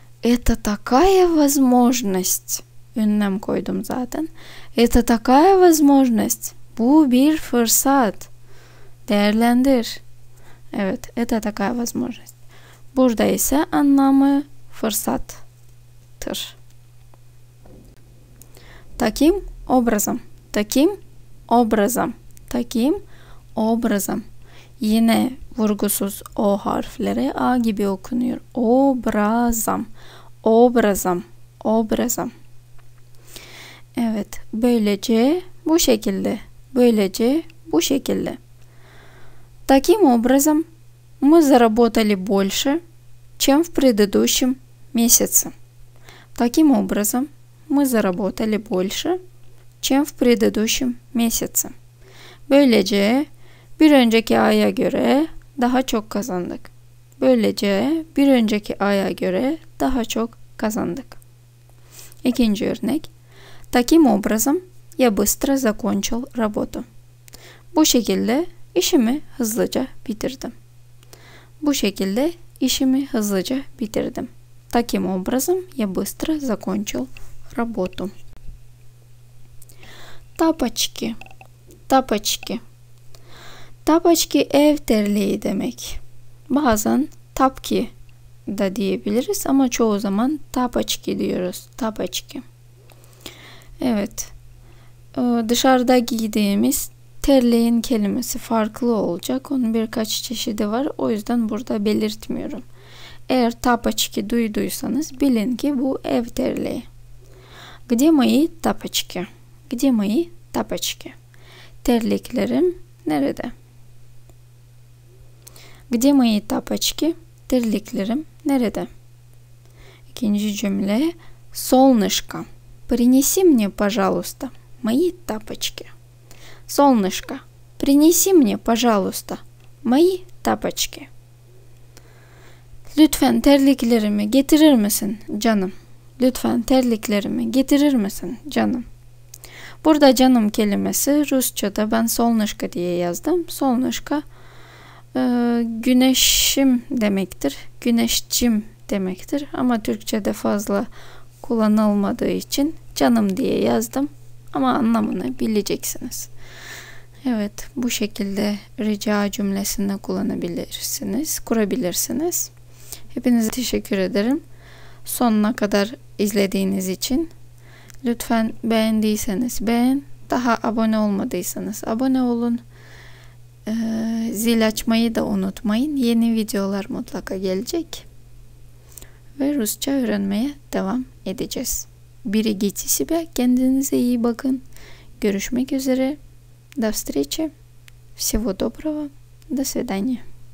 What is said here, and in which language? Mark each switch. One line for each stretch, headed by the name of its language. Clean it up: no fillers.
Russian: Это такая возможность.
Turkish: Ünlem koydum zaten.
Russian: Это такая возможность.
Turkish: Bu bir fırsat. Değerlendir.
Russian: Evet, это такая возможность.
Turkish: Burada ise anlamı fırsattır.
Russian: Таким образом. Таким образом. Таким образом.
Turkish: Yine vurgusuz o harfleri a gibi okunuyor.
Russian: Obrazam. Obrazam. Obrazam.
Turkish: Evet, böylece bu şekilde. Böylece bu şekilde.
Russian: Таким образом мы заработали больше, чем в предыдущем месяце. Таким образом мы заработали больше, чем в предыдущем месяце.
Turkish: Böylece bir önceki aya göre daha çok kazandık. Böylece bir önceki aya göre daha çok kazandık. İkinci örnek.
Russian: Таким образом я быстро закончил работу.
Turkish: Bu şekilde işimi hızlıca bitirdim. Bu şekilde işimi hızlıca bitirdim.
Russian: Таким образом я быстро закончил работу. Тапочки. Тапочки.
Turkish: Тапочки ev terliği demek. Bazen tapki da diyebiliriz ama çoğu zaman tapочки diyoruz. Tapочки. Evet. Dışarıda giydiğimiz terliğin kelimesi farklı olacak. Onun birkaç çeşidi var. O yüzden burada belirtmiyorum. Eğer tapочки duyduysanız bilin ki bu ev terliği.
Russian: Где мои тапочки? Где мои тапочки?
Turkish: Terliklerim nerede?
Russian: Где мои тапочки?
Turkish: Terliklerim nerede? İkinci cümle. Солнышко.
Russian: Принеси мне, пожалуйста, мои тапочки. Солнышко, принеси мне, пожалуйста, мои тапочки.
Turkish: Lütfen terliklerimi getirir misin canım? Lütfen terliklerimi getirir misin canım? Burada canım kelimesi Rusça'da ben солнышко diye yazdım. Солнышко güneşim demektir. Güneşçim demektir. Ama Türkçe'de fazla kullanılmadığı için canım diye yazdım. Ama anlamını bileceksiniz. Evet, bu şekilde rica cümlesini kullanabilirsiniz, kurabilirsiniz. Hepinize teşekkür ederim. Sonuna kadar izlediğiniz için. Lütfen beğendiyseniz beğen. Daha abone olmadıysanız abone olun. Zil açmayı da unutmayın. Yeni videolar mutlaka gelecek. Ve Rusça öğrenmeye devam edeceğiz. Biri geçişi be. Kendinize iyi bakın. Görüşmek üzere.
Russian: До встречи. Всего доброго. До свидания.